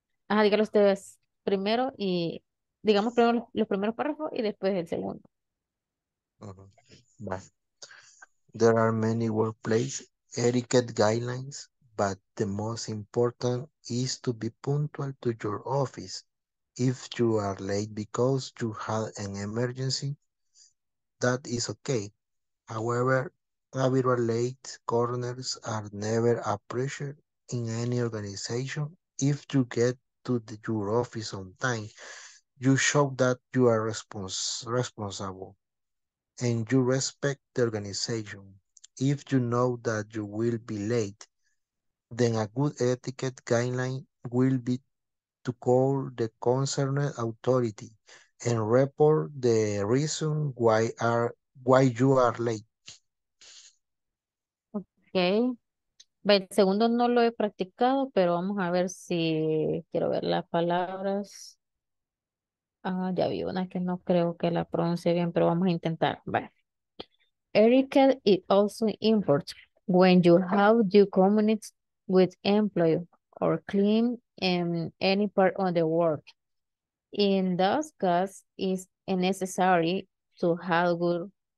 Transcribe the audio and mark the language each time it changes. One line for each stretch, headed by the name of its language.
Spanish: Dígalo ustedes primero y digamos primero los primeros párrafos y después el segundo. Uh-huh.
English: There are many workplace etiquette guidelines, but the most important is to be punctual to your office. If you are late because you had an emergency, that is okay. However, a bit late corners are never appreciated in any organization. If you get to your office on time, you show that you are responsible and you respect the organization. If you know that you will be late, then a good etiquette guideline will be to call the concerned authority and report the reason why you are late. Okay.
Spanish: El segundo no lo he practicado, pero vamos a ver si quiero ver las palabras. Ya vi una que no creo que la pronuncie bien, pero vamos a intentar. Vale.
English: Etiquette is also important when you have to communicate with employee or clean in any part of the work. In those cases, it's necessary to have good...